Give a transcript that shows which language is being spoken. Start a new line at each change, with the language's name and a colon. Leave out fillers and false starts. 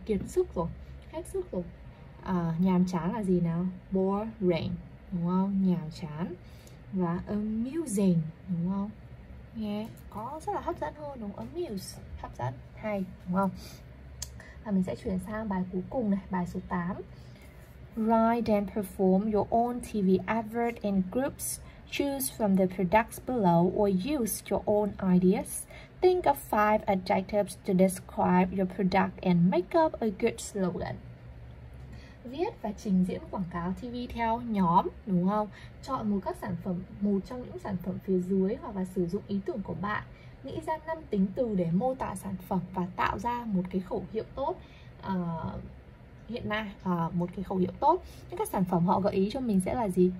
Vietnamese: Kiệt sức rồi, hết sức rồi. À, nhàm chán là gì nào? Boring, đúng không? Nhàm chán. Và amusing, đúng không? Nghe có rất là hấp dẫn hơn, đúng không? Amuse, hấp dẫn, hay, đúng không? Và mình sẽ chuyển sang bài cuối cùng này, bài số 8.
English: Write and perform your own TV advert in groups. Choose from the products below or use your own ideas. Think of 5 adjectives to describe your product and make up a good slogan.
Vietnamese: viết và trình diễn quảng cáo TV theo nhóm, đúng không? Chọn một các sản phẩm, một trong những sản phẩm phía dưới hoặc là sử dụng ý tưởng của bạn, nghĩ ra 5 tính từ để mô tả sản phẩm và tạo ra một cái khẩu hiệu tốt. Hiện nay một cái khẩu hiệu tốt. Những các sản phẩm họ gợi ý cho mình sẽ là gì?